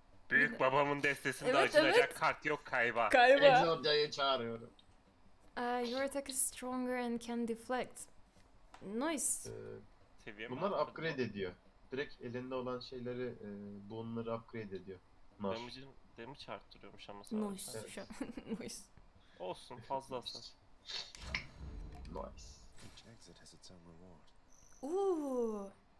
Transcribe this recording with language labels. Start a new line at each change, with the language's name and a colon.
Turkish: Büyük babamın destesinde evet, acınacak evet. Kart yok Kaiba. Kaiba. Exodia'yı çağırıyorum.
English: Your attack is stronger and can deflect. Nice.
Turkish: Bunlar upgrade ediyor. Direkt elinde olan şeyleri, bunları upgrade ediyor. Damage'i çarptırıyormuş ama sadece.
English: Nice. Evet. Nice.
Turkish: Olsun, fazla olsun.
English: Nice. Each exit has its own reward. Ooh.